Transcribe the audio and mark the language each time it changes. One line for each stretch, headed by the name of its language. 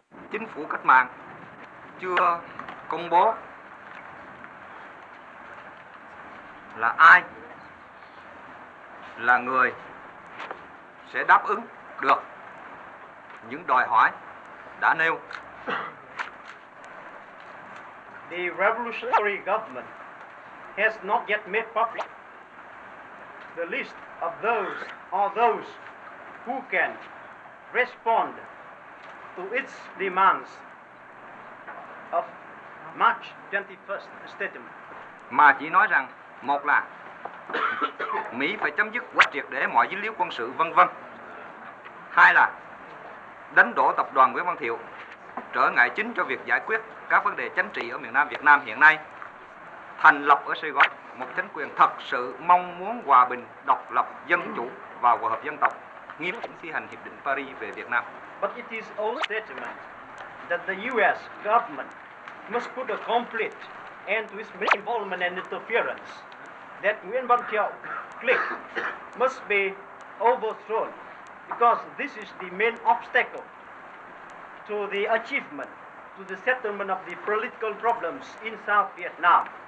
Vietnamese: Chính phủ cách mạng chưa công bố là ai là người sẽ đáp ứng được những đòi hỏi đã nêu.
English: The revolutionary government has not yet made public the list of those or those who can respond to its demands of March 21st statement.
Vietnamese: Mà chỉ nói rằng một là Mỹ phải chấm dứt quá triệt để mọi dính líu quân sự vân vân. Hai là đánh đổ tập đoàn Nguyễn Văn Thiệu, trở ngại chính cho việc giải quyết các vấn đề chính trị ở miền Nam Việt Nam hiện nay, thành lập ở Sài Gòn một chính quyền thật sự mong muốn hòa bình, độc lập, dân chủ và hòa hợp dân tộc, nghiêm chỉnh thi hành Hiệp định Paris về Việt Nam.
English: But it is our statement that the US government must put a complete end to its involvement and interference, that Nguyễn Văn Thiệu clique must be overthrown because this is the main obstacle to the achievement to the settlement of the political problems in South Vietnam.